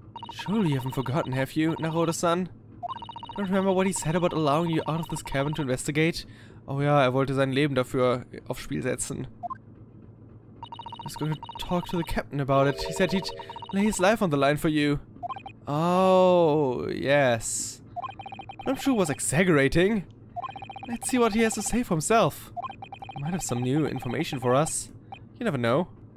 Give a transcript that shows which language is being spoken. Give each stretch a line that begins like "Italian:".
English: Surely you haven't forgotten, have you, Naruto-san? Don't remember what he said about allowing you out of this cabin to investigate?
German: Oh ja, er wollte sein Leben dafür aufs Spiel setzen.
English: I was going to talk to the captain about it. He said he'd lay his life on the line for you. Oh, yes. I'm sure he was exaggerating. Let's see what he has to say for himself. He might have some new information for us. You never know.